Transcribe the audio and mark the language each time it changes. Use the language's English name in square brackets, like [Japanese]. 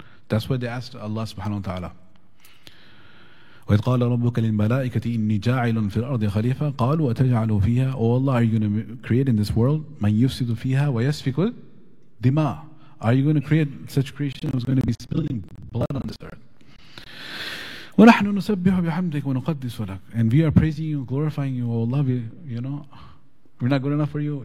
[English] That's why they asked Allah subhanahu wa ta'ala. [Arabic] وَقَالَ رَبُّكَ لِلْمَلَائِكَةِ إِنِّي جَاعِلٌ فِي الْأَرْضِ خَلِيفَةً قَالُوا أَتَجْعَلُ فِيهَا [English] Oh Allah, are you going to create in this world? [Arabic] مَنْ يُفْسِدُ فِيهَا وَيَسْفِكُ الدِّمَاءَ [English] Are you going to create such creation who's going to be spilling blood on this earth? [Arabic] ونحن نسبح بحمدك ونقدس لك. [English] And we are praising you, glorifying you, oh, love you, you know. We're not good enough for you.